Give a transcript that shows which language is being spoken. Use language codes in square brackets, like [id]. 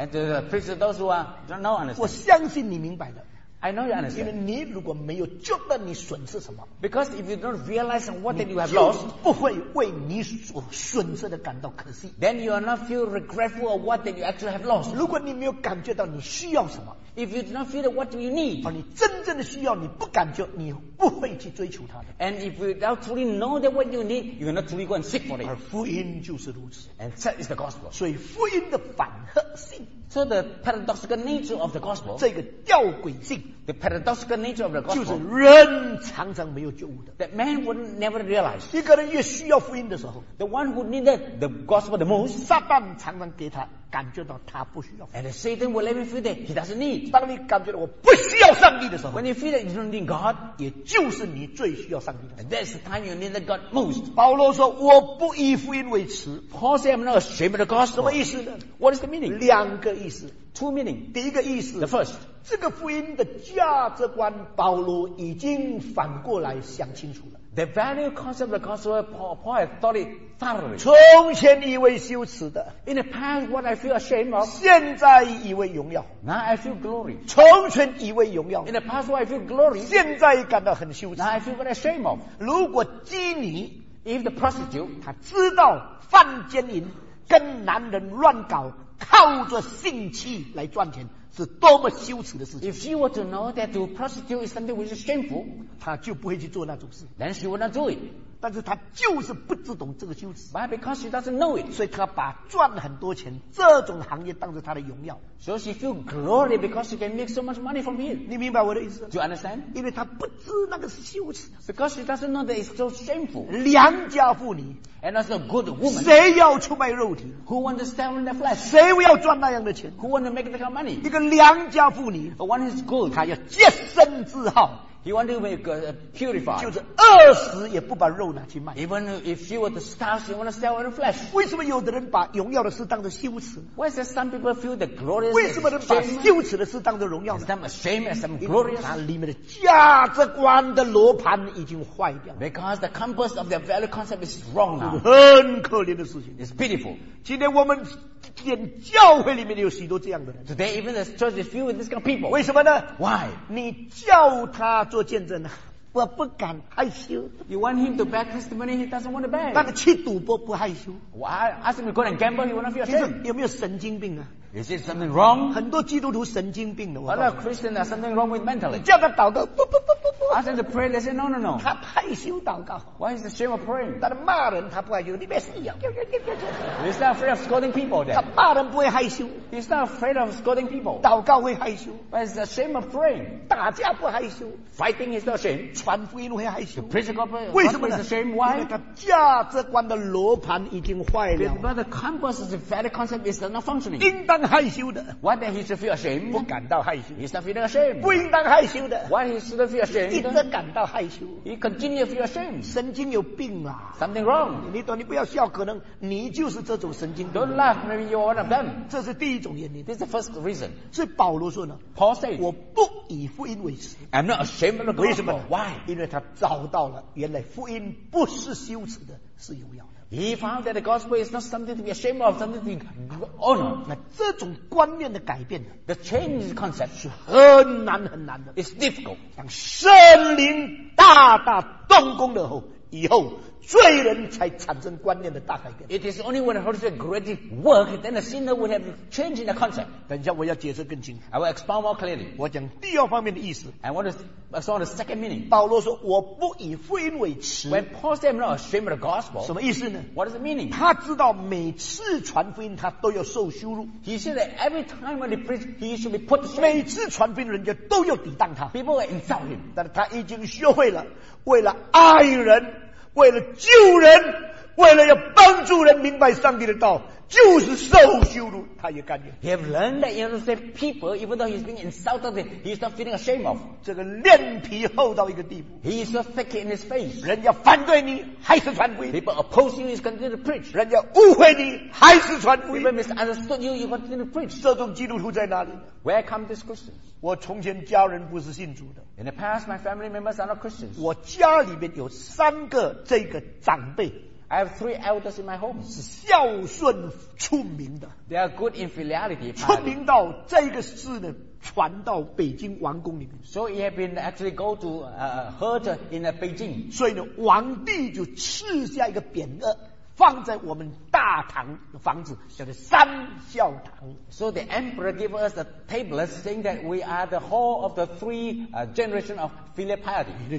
[en] And preach to those who are don't know understand. [zh] 我相信你明白的。 [en] I know you understand. [zh] 因为你如果没有觉得你损失什么 [en] ，Because if you don't realize what that you have lost, [zh] 你就不会为你所损失的感到可惜。 [en] Then you are not feel regretful of what that you actually have lost. [zh] 如果你没有感觉到你需要什么 [en] ，If you do not feel what do you need, [zh] 而你真正的需要你不感觉，你不会去追求它的。 [en] And if you don't truly know that what you need, you are not truly go and seek for it. [zh] 而福音就是如此 [en] ，And that is the gospel. [zh] 所以福音的反合性。 [en] So the paradoxical nature of the gospel, [zh] 这个吊诡性 [en] the paradoxical nature of the gospel, [zh] 就是人常常没有觉悟的 [en] that man would never realize. [zh] 一个人越需要福音的时候 [en] the one who needed the gospel the most, [zh] 撒旦常常给他感觉到他不需要 [en] and Satan will let me feel that he doesn't need. [zh] 当你感觉到我不需要上帝的时候 [en] when you feel that you don't need God, [zh] 也就是你最需要上帝的时候 [en] that's the time you needed God most. [zh] 保罗说我不以福音为耻 [en] Paul said I'm not ashamed of the gospel. [zh] 什么意思呢 [en] what is the meaning? [zh] 两个意思 [en] two meaning. [zh] 第一个意思, [en] the first. [zh] 这个福音的价值观，保罗已经反过来想清楚了。 [en] The value concept of the gospel, Paul had thought it thoroughly. [zh] 从前以为羞耻的, [en] in the past, what I feel ashamed of. [zh] 现在以为荣耀, [en] now I feel glory. [zh] 从前以为荣耀, [en] in the past, what I feel glory. [zh] 现在感到很羞耻, [en] now I feel very ashamed of. [zh] 如果基尼, [en] if the prostitute, [zh] 他知道犯奸淫, 跟男人乱搞, 靠着性器来赚钱, 是多么羞耻的事情。 [en] If she were to know that to prostitute is something which is shameful, [zh] 她就不会去做那种事。 [en] Then she would not do it. [zh] 但是她就是不知道这个羞耻。 [en] But because she doesn't know it, [zh] 所以她把赚很多钱, 这种行业当作她的荣耀。 [en] So she feels glory because she can make so much money from here. [zh] 你明白我的意思? [en] Do you understand? [zh] 因为她不知道那个是羞耻。 [en] Because she doesn't know that it's so shameful. [zh] 良家妇女, [en] and as a good woman, [zh] 谁要出卖肉体? [en] Who wants to stand in the flesh? [zh] 谁要赚那样的钱? [en] Who wants to make that kind of money? [zh] 一个良家妇女, [en] but one is good, [zh] 她要洁身自好。 [en] He wanted to make a purified. [zh] 就是饿死也不把肉拿去卖。 [en] Even if she were to starve, she wanted to sell her flesh. [zh] 为什么有的人把荣耀的事当作羞耻? [en] Why is there some people feel the glorious? [zh] 为什么人把羞耻的事当作荣耀? [en] Is them ashamed as some glorious? [zh] 它里面的价值观的罗盘已经坏掉了。 [en] Because the compass of their value concept is wrong now. [zh] 很可怜的事情。 [en] It's pitiful. [zh] 今天我们 连教会里面有许多这样的人。 [en] Today even the church is filled with this kind of people. [zh] 为什么呢? [en] Why? [zh] 你叫他做见证呢?我不敢害羞。 [en] You want him to bear testimony, he doesn't want to bear. [zh] 但是去赌博不害羞。 [en] Well, I ask him to go and gamble, he won't feel ashamed. [zh] 有没有神经病啊? [en] Is it something wrong? [zh] 很多基督徒神经病的。 [en] A lot of Christians are something wrong with mentally. [zh] 叫他祷告，不不不不不。 [en] Ask him to pray, they say no no no. [zh] 他害羞祷告。 [en] Why is the shame of praying? [zh] 但是骂人他不害羞，你别死呀。 [en] He's not afraid of scolding people then. [zh] 他骂人不会害羞。 [en] He's not afraid of scolding people. [zh] 祷告会害羞。 [en] But it's the shame of praying. [zh] 打架不害羞。 [en] Fighting is not shame. [zh] 传福音会害羞。 [en] The preacher of God, why is the shame? Why? [zh] 因为他价值观的罗盘已经坏了。 [en] But the compass of the value concept is not functioning. [zh] 应当害羞的。 [en] Why then he should feel ashamed? [zh] 不感到害羞。 [en] He's not feeling ashamed. [zh] 不应当害羞的。 [en] Why he should feel ashamed? [zh] 一直感到害羞。 [en] He continue to feel ashamed. [zh] 神经有病啦。 [en] Something wrong. [zh] 你不要笑, 可能你就是这种神经病。 [en] Don't laugh, maybe you're one of them. [zh] 这是第一种原因。 [en] This is the first reason. [zh] 所以保罗说呢, [en] Paul said, [zh] 我不以福音为耻。 [en] I'm not ashamed of the gospel. [zh] 为什么? [en] Why? [zh] 因为他找到了, 原来福音不是羞耻的，是荣耀。 [en] He found that the gospel is not something to be ashamed of, something to be honored. [zh] 那这种观念的改变, [en] the change concept, [zh] 是很难很难的。 [en] It's difficult. [zh] 当圣灵大大动工的后, 以后, 罪人才产生观念的大改变。 [en] It is only when the Holy Spirit greatly works, then the sinner will have change in the concept. [zh] 等一下我要解释更清楚。 [en] I will expound more clearly. [zh] 我讲第二方面的意思。 [en] I want to explore the second meaning. [zh] 保罗说, 我不以福音为耻。 [en] When Paul said, I'm not ashamed of the gospel. [zh] 什么意思呢? [en] What is the meaning? [zh] 他知道每次传福音, 他都要受羞辱。 [en] He said that every time when he preached, he should be put to shame. [zh] 每次传福音, 人家都要抵挡他。 [en] People will insult him. [zh] 但是他已经学会了, 为了爱人, 为了救人, 为了要帮助人, 明白上帝的道, 就是受羞辱, 他也甘愿。 [en] He have learned that you have to save people, even though he's being insulted, he's not feeling ashamed of. [zh] 这个脸皮厚到一个地步。 [en] He is so thick in his face. [zh] 人家反对你, 还是传福音。 [en] People oppose you, he's continuing to preach. [zh] 人家误会你, 还是传福音。 [en] People misunderstood you, you continue to preach. [zh] 这种基督徒在哪里? [en] Where come these Christians? [zh] 我从前家人不是信主的。 [en] In the past, my family members are not Christians. [zh] 我家里面有三个这个长辈。 [en] I have three elders in my home. [zh] 是孝顺出名的。 [en] They are good in filiality. [zh] 出名到这个事呢, 传到北京王宫里面。 [en] So he have been actually go to heard in Beijing. [zh] 所以呢, 王帝就赐下一个匾额, 放在我们大堂的房子, 叫做三孝堂。 [en] So the emperor gave us a tablet saying that we are the hall of the three generation of filial piety.